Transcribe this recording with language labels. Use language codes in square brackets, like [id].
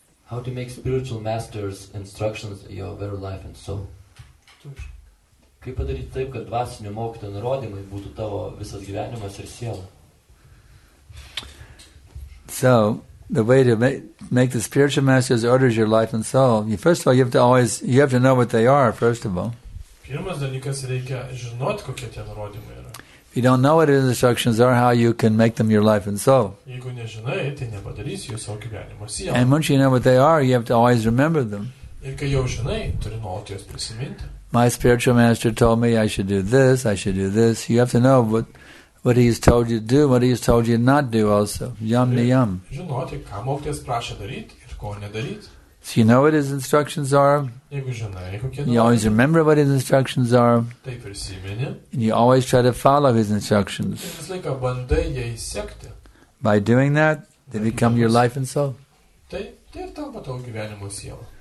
[en] How to make spiritual masters instructions in your very life and soul? [lt] Kaip padaryti taip, kad dvasinių mokytojų nurodymai būtų tavo visas gyvenimas ir siela? [en] So, the way to make the spiritual masters orders your life and soul, you have to know what they are, first of all. [lt] Pirmas dalykas, reikia žinoti, kokie tie nurodymai yra. [en] You don't know what instructions are, how you can make them your life and soul. [lt] Jeigu nežinai, tai nepadarysi jų savo gyvenimo sielą. [en] And once you know what they are, you have to always remember them. [lt] Ir kai jau žinai, turi nuolat juos prisiminti. [en] My spiritual master told me I should do this, I should do this. You have to know what he's told you to do, what he's told you not do also. Yam ni yam. [lt] Žinoti, ką mokytis prašė daryti ir ko nedaryti. [en] So you know what his instructions are. [lt] Jeigu žinai, kokie [en] you always remember what his instructions are. [lt] Taip prisimeni. [en] And you always try to follow his instructions. [lt] Tai vis laiką bandai jais sekti. [en] By doing that, they become your life and soul. [lt] Tai ir tampa tavo gyvenimo siela.